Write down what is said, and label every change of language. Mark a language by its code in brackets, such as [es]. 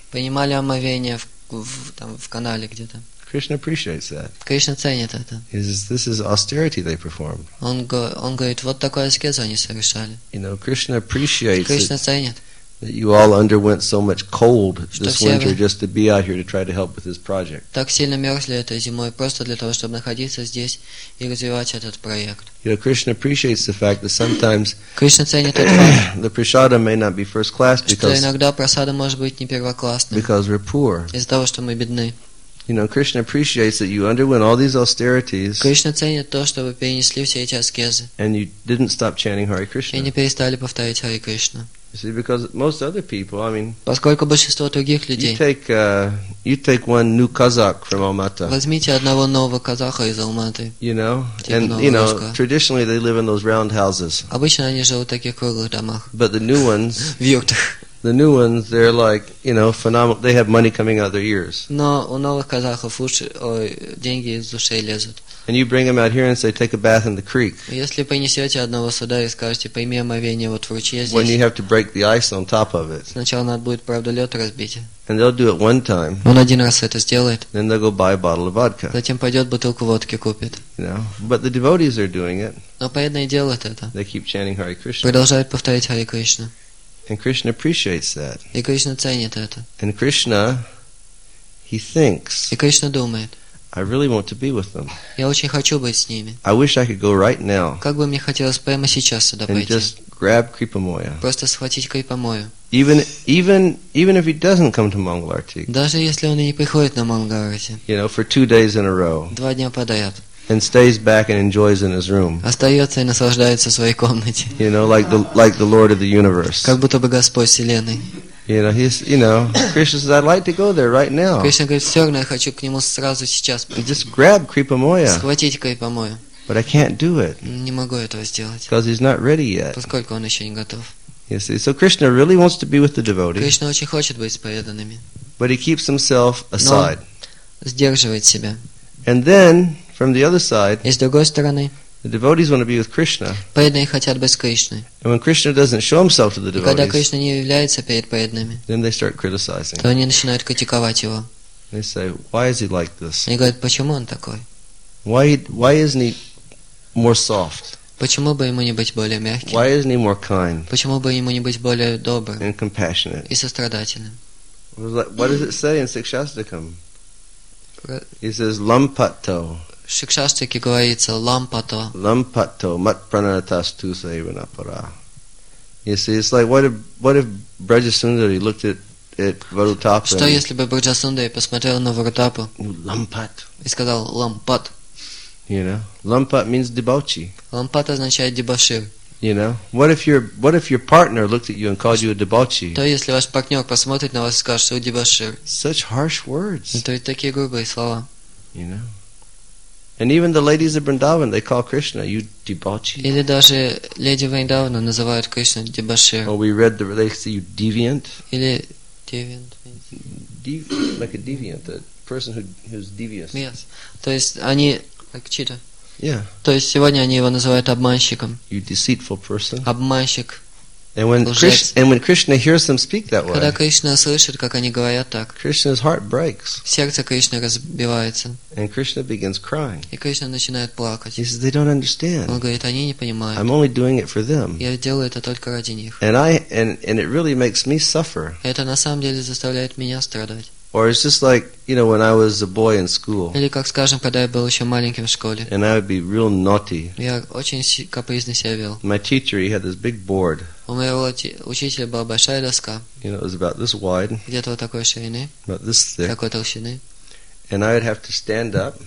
[ru] Принимали омовение в канале где-то. [en] Krishna appreciates that. [ru] Кришна ценит это. [en] This is austerity they performed. [ru] Он говорит, вот такой аскезу они совершали. [en] You know, Krishna appreciates. [ru] Кришна ценит. [en] That you all underwent so much cold this winter just to be out here to try to help with this project. [ru] Так сильно мерзли этой зимой просто для того, чтобы находиться здесь и развивать этот проект. [en] You know, Krishna appreciates the fact that sometimes [ru] Кришна ценит этот факт, [en] the prasadam may not be first class because [ru] что иногда просада может быть не первоклассным [en] because we're poor. [ru] Из-за того, что мы бедны. [en] You know, Krishna appreciates that you underwent all these austerities. [ru] Кришна ценит то, что вы перенесли все эти аскезы. [en] And you didn't stop chanting Hare Krishna. [ru] И не перестали повторять Hare Krishna. [en] You see, because most other people, I mean, [ru] поскольку большинство других людей, [en] you take one new Kazakh from Almaty. [ru] Возьмите одного нового казаха из Алматы. [en] You know, and you know, traditionally they live in those round houses. [ru] Обычно они живут в таких круглых домах. [en] But the new ones, [ru] в юртах, [en] The new ones, they're like, you know, phenomenal. They have money coming out of their ears. [ru] Но у новых казахов уши, ой, деньги из ушей лезут. [en] And you bring them out here and say, take a bath in the creek. [ru] Если принесете одного сюда и скажете, пойми омовение вот в ручье здесь. [en] When you have to break the ice on top of it. [ru] Сначала надо будет, правда, лед разбить. [en] And they'll do it one time. [ru] Он один раз это сделает. [en] Then they'll go buy a bottle of vodka. [ru] Затем пойдет бутылку водки купит. [en] You know, but the devotees are doing it. [ru] Но преданные делают это. [en] They keep chanting Hare Krishna. [ru] Продолжают повторять Hare Krishna. [en] And Krishna appreciates that. [ru] И Кришна ценит это. [en] And Krishna, he thinks. [ru] И Кришна думает. [en] I really want to be with them. [ru] Я очень хочу быть с ними. [en] I wish I could go right now. [ru] Как бы мне хотелось прямо сейчас сюда [en] and [ru] пойти. [en] Just grab Kripamoya. [ru] Просто схватить Крипамою. [en] Even if he doesn't come to Mangalarti. [ru] Даже если он и не приходит на Мангаларти. [en] You know, for 2 days in a row. [ru] Два дня подряд. [en] And stays back and enjoys in his room. [ru] Остается и наслаждается в своей комнате. [en] You know, like the Lord of the universe. [ru] Как будто бы Господь Вселенной. [en] You know, he's, you know, Krishna says, I'd like to go there right now. [ru] Кришна говорит, все равно я хочу к нему сразу сейчас. [en] Just grab Kripamoya. [ru] Схватить Крипамою. [en] But I can't do it. [ru] Не могу этого сделать. [en] Because he's not ready yet. [ru] Поскольку он еще не готов. [en] You see, so Krishna really wants to be with the devotees. [ru] Кришна очень хочет быть с преданными. [en] But he keeps himself aside. [ru] Но сдерживает себя. [en] And then from the other side, [ru] и с другой стороны, [en] the devotees want to be with Krishna. [ru] Преданные хотят быть с Кришной. [en] And when Krishna doesn't show himself to the devotees, [ru] когда Кришна не является перед преданными, [en] then they start criticizing. [ru] То они начинают критиковать его. [en] They say, why is he like this? [ru] Они говорят, почему он такой? [en] Why isn't he more soft? [ru] Почему бы ему не быть более мягким? [en] Why isn't he more kind? [ru] Почему бы ему не быть более добрым? [en] And compassionate. [ru] И сострадательным. [en] What does it say in Sikshastakam? He says, lampato. [ru] В Шикшастрике говорится лампато. [sa] Лампато, мат пранатасту сайванапара. [en] You see, it's like what if Браджасундари looked at Варутапа? [ru] Что если бы Браджасундари посмотрел на Варутапу? [sa] Лампат. [ru] И сказал лампат. [en] You know, лампат means [ru] дебоши. Лампат означает дебошир. [en] You know, what if your partner looked at you and called you a debauchee? [ru] То если ваш партнер посмотрит на вас и скажет, что вы дебошир. [en] Such harsh words. [ru] Это ведь такие грубые слова. [en] You know. And even the ladies of Vrindavan, they call Krishna, you debauchee. [ru] Или даже леди Вриндавана называют Кришну дебошир. [en] Or we read the, they say you deviant. [ru] Или deviant. [en] Like a deviant, a person who's devious. Yes. [ru] То есть они, [en] like cheater. Yeah. [ru] То есть сегодня они его называют обманщиком. [en] You deceitful person. [ru] Обманщик. [en] And when Krishna hears them speak that way, [ru] когда Кришна слышит, как они говорят так, [en] Krishna's heart breaks. [ru] Сердце Кришны разбивается. [en] And Krishna begins crying. [ru] И Кришна начинает плакать. [en] He says, they don't understand. [ru] Он говорит, они не понимают. [en] I'm only doing it for them. [ru] Я делаю это только ради них. [en] And it really makes me suffer. [ru] Это на самом деле заставляет меня страдать. [en] Or it's just like, you know, when I was a boy in school. [ru] Или как скажем, когда я был еще маленьким в школе. [en] And I would be real naughty. [ru] Я очень капризно себя вел. [en] My teacher, he had this big board. [ru] У моего учителя была большая доска. [en] You know, it was about this wide. [ru] Где-то вот такой ширины. [en] About this thick. [ru] Такой толщины. [en] And I would have to stand up.